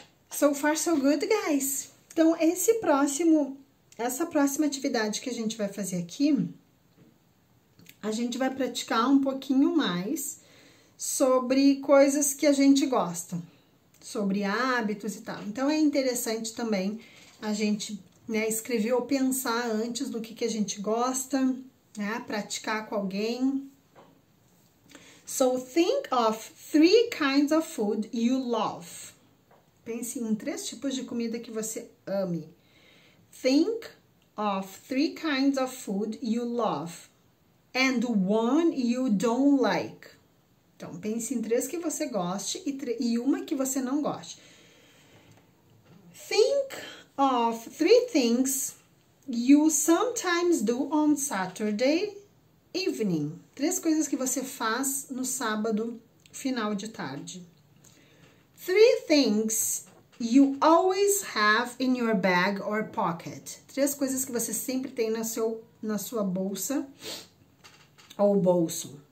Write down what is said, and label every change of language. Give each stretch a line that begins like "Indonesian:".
English: So far, so good, guys.
Portuguese: Então, essa próxima atividade que a gente vai fazer aqui, a gente vai praticar um pouquinho mais sobre coisas que a gente gosta, sobre hábitos e tal. Então, é interessante também a gente, né, escrever ou pensar antes do que a gente gosta, né, praticar com alguém.
English: So, think of three kinds of food you love.
Portuguese: Pense em três tipos de comida que você ame.
English: Think of three kinds of food you love and one you don't like.
Portuguese: Então, pense em três que você goste e uma que você não goste.
English: Think of three things you sometimes do on Saturday evening.
Portuguese: Três coisas que você faz no sábado, final de tarde.
English: Three things you always have in your bag or pocket.
Portuguese: Três coisas que você sempre tem na sua bolsa ou bolso.